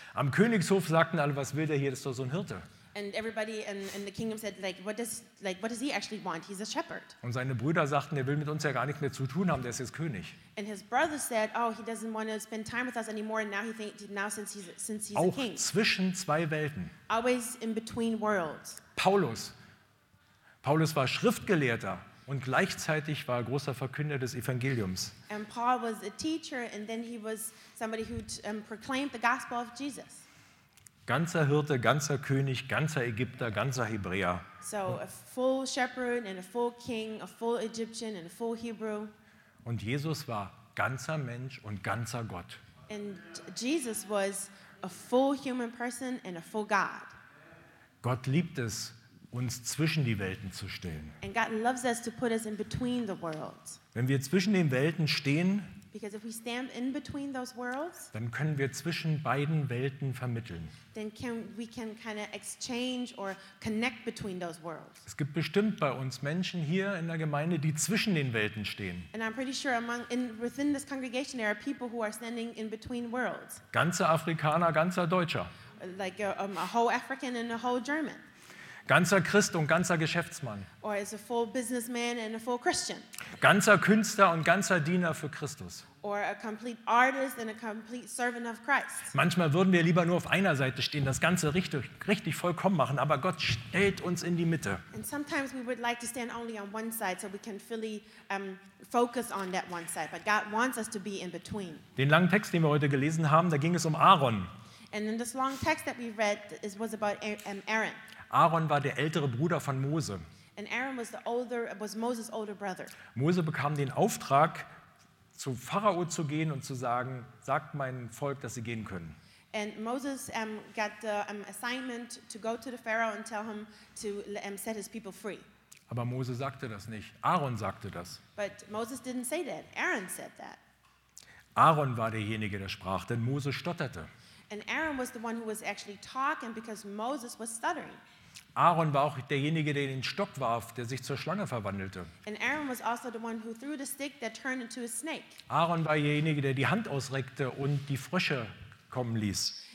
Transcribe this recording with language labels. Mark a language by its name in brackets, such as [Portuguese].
[German] Am Königshof sagten alle, was will der hier, das ist doch so ein Hirte. [English] And everybody in the kingdom said, what does he actually want? He's a shepherd. [German] Und seine Brüder sagten, er will mit uns ja gar nichts mehr zu tun haben, der ist jetzt König. [English] And his brothers said, oh, he doesn't want to spend time with us anymore, and now since he's [German] auch [English] a king. [German] Auch zwischen zwei Welten. [English] Always in between worlds. [German] Paulus war Schriftgelehrter. Und gleichzeitig war er großer Verkünder des Evangeliums. [English] And Paul was a teacher, and then he was somebody who proclaimed the gospel of Jesus. [German] Ganzer Hirte, ganzer König, ganzer Ägypter, ganzer Hebräer. [English] So a full shepherd and a full king, a full Egyptian and a full Hebrew. [German] Und Jesus war ganzer Mensch und ganzer Gott. [English] And Jesus was a full human person and a full God. [German] Gott liebt es, uns zwischen die Welten zu stellen. [English] And God loves us to put us in between the worlds. [German] Wenn wir zwischen den Welten stehen, [English] because if we stand in between those worlds, [German] dann können wir zwischen beiden Welten vermitteln. [English] Then we can kind of exchange or connect between those worlds. [German] Es gibt bestimmt bei uns Menschen hier in der Gemeinde, die zwischen den Welten stehen. [English] And I'm pretty sure within this congregation there are people who are standing in between worlds. [German] Ganzer Afrikaner, ganzer Deutscher. [English] Like a whole African and a whole German. [German] Ganzer Christ und ganzer Geschäftsmann. [English] Or as a full businessman and a full Christian. [German] Ganzer Künstler und ganzer Diener für Christus. [English] Or a complete artist and a complete servant of Christ. [German] Manchmal würden wir lieber nur auf einer Seite stehen, das Ganze richtig, richtig vollkommen machen, aber Gott stellt uns in die Mitte. [English] And sometimes we would like to stand only on one side so we can fully focus on that one side, but God wants us to be in between. [German] Den langen Text, den wir heute gelesen haben, da ging es um Aaron. [English] And in this long text that we read, it was about Aaron. [German] Aaron war der ältere Bruder von Mose. [English] And Aaron was the older, was Moses' older brother. [German] Mose bekam den Auftrag, zu Pharao zu gehen und zu sagen, sagt mein Volk, dass sie gehen können. [English] And Moses got the assignment to go to the Pharaoh and tell him to set his people free. [German] Aber Mose sagte das nicht. Aaron sagte das. [English] But Moses didn't say that. Aaron said that. [German] Aaron war derjenige, der sprach, denn Mose stotterte. [English] And Aaron was the one who was actually talking because Moses was stuttering. [German] Aaron war auch derjenige, der den Stock warf, der sich zur Schlange verwandelte. [English] And Aaron was also the one who threw the stick that turned into a snake. [German] Aaron war derjenige, der die Hand ausreckte und die Frösche kommen ließ.